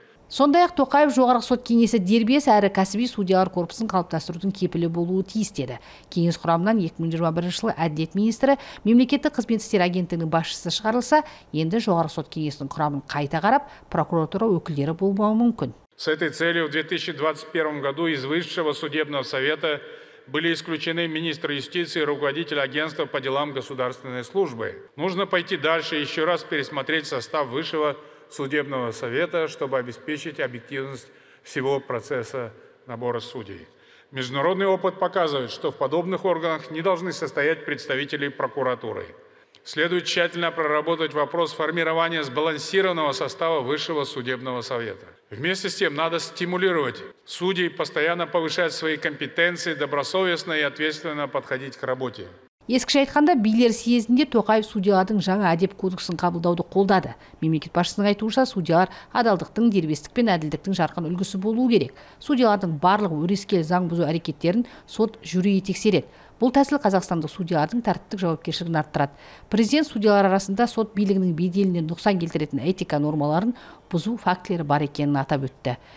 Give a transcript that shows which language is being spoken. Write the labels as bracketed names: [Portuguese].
[Kazakh] Сондай ақ Тоқаев жоғарғы сот кеңесі дербес әрі кәсіби судьялар корпусын қалыптастырудың кепілі болуы тиіс деді. Кеңес құрамынан 2021 жылы әділет министрі, мемлекеттік қызмет істері агенттігінің басшысы шығарылса, енді жоғарғы сот кеңесінің құрамын қайта қарап, прокуратура өкілдері болмауы мүмкін. [Russian] С этой целью в 2021 году из высшего судебного совета были исключены министр юстиции и руководитель агентства по делам государственной службы. Нужно пойти дальше и еще раз пересмотреть состав высшего судебного совета, чтобы обеспечить объективность всего процесса набора судей. Международный опыт показывает, что в подобных органах не должны состоять представители прокуратуры. Следует тщательно проработать вопрос формирования сбалансированного состава высшего судебного совета. Вместе с тем надо стимулировать судей постоянно повышать свои компетенции, добросовестно и ответственно подходить к работе. [Kazakh] Ескіше айтқанда, билер съезінде Тоқаев судьялардың жаңа әдеп кодексін қабылдауды қолдады. Мемлекет басшысының айтуынша, судьялар адалдықтың, дербестік пен әділдіктің жарқын үлгісі болуы керек. Судьялардың барлық өрескел заң бұзу әрекеттерін сот жюриі тексереді. Бұл тәсіл қазақстандық судьялардың тәртіптік жауапкершілігін арттырады. Президент судьялар арасында сот билігінің беделіне нұқсан келтіретін этика нормаларын бұзу фактілері бар екенін атап өтті.